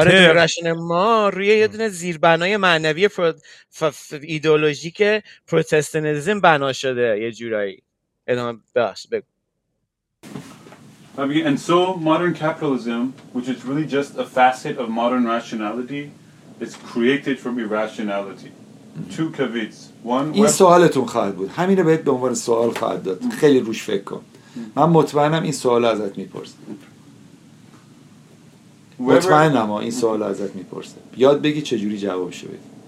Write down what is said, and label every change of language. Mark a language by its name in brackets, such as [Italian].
[Persian] آره، رشن ما روی یه دونه زیربنای معنوی ایدئولوژیک پروتستانتیسم بنا شده یه جورایی. ادامه بخش بگو. [English] And so modern capitalism, which is really just a facet of modern rationality, is created from irrationality. Two caveats. [Persian] این سوالتون خواهد بود، همینه بهت به عنوان سوال خواهد داد. خیلی روش فکر کن، من مطمئنم این سوال ازت میپرسم. مطمئنم این سوال ازت میپرسه. یاد بگی چجوری جواب شو بدی.